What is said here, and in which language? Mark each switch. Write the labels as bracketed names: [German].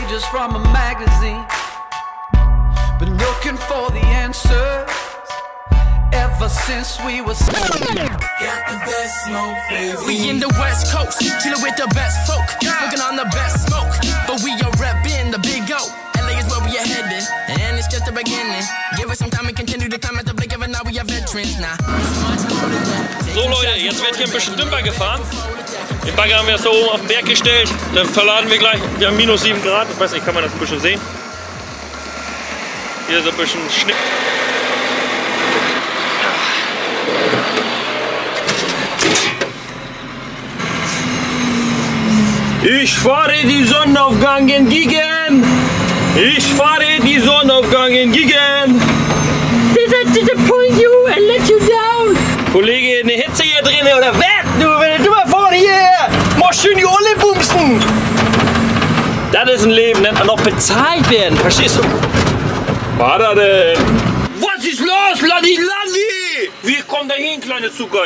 [English] From a magazine, been looking for the answers ever since we were seven. Got the best smoke, baby. We in the West Coast, chilling with the best folk, smoking on the best smoke. But we are repping the big O. LA is where we are headed, and it's just the beginning. Give us some time and continue to climb at the blink of an eye. We are veterans now. [German] So Leute, jetzt wird hier ein bisschen dümper gefahren. Den Bagger haben wir jetzt da oben auf den Berg gestellt. Dann verladen wir gleich. Wir haben minus 7 Grad. Ich weiß nicht, kann man das ein bisschen sehen? Hier so ein bisschen Schnee. Ich fahre die Sonnenaufgang entgegen. Ich fahre die Sonnenaufgang entgegen. [English] They're about to point you and let you down. [German] Kollege, eine Hitze hier drin oder was? Du, wenn du mal vorne hier, mach schön die Olle bumsen. Das ist ein Leben, nennt man auch bezahlt werden, verstehst du? Was da denn? Was ist los, Ladi Ladi? Wie kommt da hin, kleine Zucker?